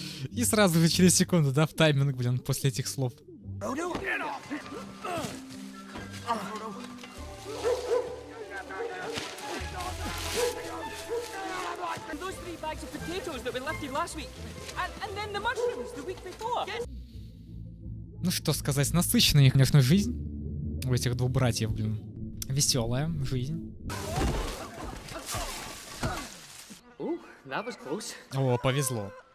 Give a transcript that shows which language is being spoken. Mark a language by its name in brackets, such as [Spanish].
[Russian] И сразу же через секунду, да, в тайминг, блин, после этих слов. [English] And those three bags of potatoes that we lifted last week. And then the mushrooms the week before. [Russian] Ну что сказать, насыщенная, конечно, жизнь у этих двух братьев, блин. Веселая жизнь. О, повезло.